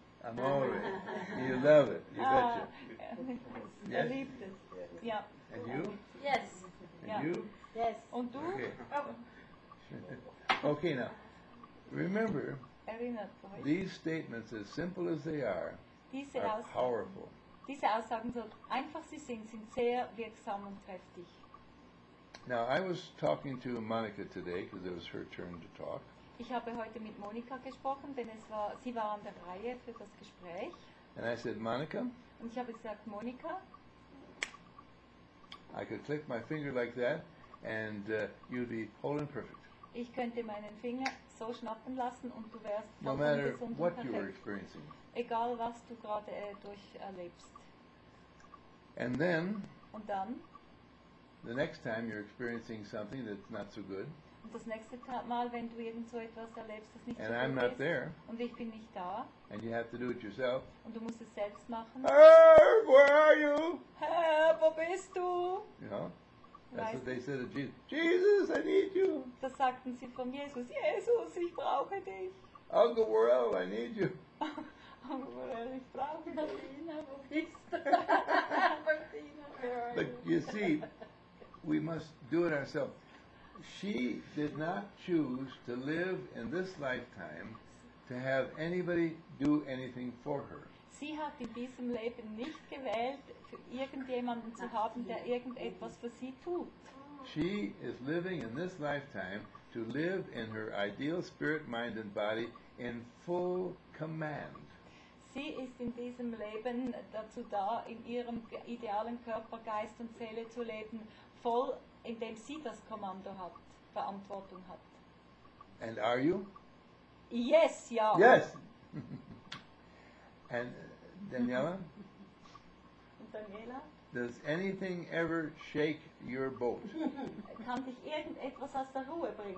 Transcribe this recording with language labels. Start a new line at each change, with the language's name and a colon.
English: Amore. You love it. You betcha. Yes. Yeah. And you? Yes. And you? Yes. And du? Okay. Okay, now. Remember, these statements, as simple as they are powerful.
German: Diese Aussagen, so einfach sie sind sehr wirksam und kräftig.
English: Now, I was talking to Monica today, because it was her turn to talk.
German: Ich habe heute mit Monika gesprochen, denn es war, sie war an der Reihe für das Gespräch.
English: And I said, Monica?
German: Und ich habe gesagt, Monika?
English: I could click my finger like that, and you'd be whole and perfect.
German: Ich könnte meinen Finger so schnappen lassen, und du wärst
English: no matter what you were experiencing.
German: Egal, was du gerade durcherlebst.
English: And then?
German: Und dann?
English: The next time you're experiencing something that's not so good,
German: und das nächste Mal, wenn du irgend so etwas erlebst, das nicht
English: and
German: so
English: I'm
German: gut
English: not
German: ist,
English: there,
German: und ich bin nicht da,
English: and you have to do it yourself,
German: und du musst es selbst machen.
English: Herb, where are you?
German: Herb, wo bist du?
English: You know, that's what they said to Jesus. Jesus, I need you.
German: Das sagten sie von Jesus. Jesus, ich brauche dich.
English: Uncle Worrell, I need you.
German: Uncle Worrell, ich brauche dich.
English: But you see, we must do it ourselves. She did not choose to live in this lifetime to have anybody do anything for her.
German: Sie hat in diesem Leben nicht gewählt, für irgendjemanden zu haben, der irgendetwas für sie tut.
English: She is living in this lifetime to live in her ideal spirit, mind and body in full command.
German: Sie ist in diesem Leben dazu da, in ihrem idealen Körper, Geist und Seele zu leben, voll, indem sie das Kommando hat, Verantwortung hat.
English: And are you? Yes, ja. Yes. And Daniela?
German: Und Daniela?
English: Does anything ever shake your boat?
German: Kann dich irgendetwas aus der Ruhe bringen?